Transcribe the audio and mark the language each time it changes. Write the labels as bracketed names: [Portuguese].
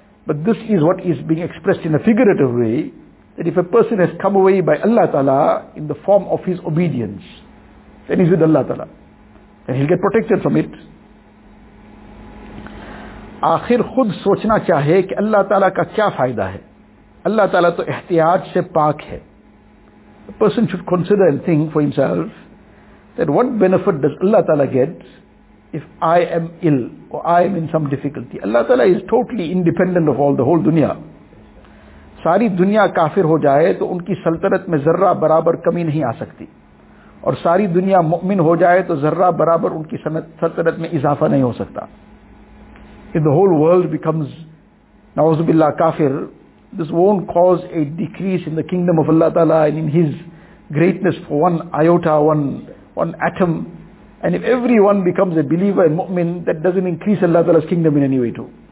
[English] But this is what is being expressed in a figurative way, that if a person has come away by Allah Ta'ala in the form of his obedience, then he's with Allah Ta'ala. Then he'll get protected from it. [Urdu] آخر خود سوچنا چاہے کہ اللہ تعالیٰ کا کیا فائدہ ہے. اللہ تعالیٰ تو احتیاج سے پاک ہے. [English] A person should consider and think for himself that what benefit does Allah Ta'ala get if I am ill or I am in some difficulty. Allah Ta'ala is totally independent of all the whole dunya. [Urdu] ساری دنیا کافر ہو جائے تو ان کی سلطنت میں ذرہ برابر کمی نہیں آ سکتی, اور ساری دنیا مؤمن ہو جائے تو ذرہ برابر ان کی سلطنت میں اضافہ نہیں ہو سکتا. [English] If the whole world becomes na'uzu billah kafir, this won't cause a decrease in the kingdom of Allah Ta'ala and in his greatness for one iota, one atom. And if everyone becomes a believer and mu'min, that doesn't increase Allah Ta'ala's kingdom in any way too.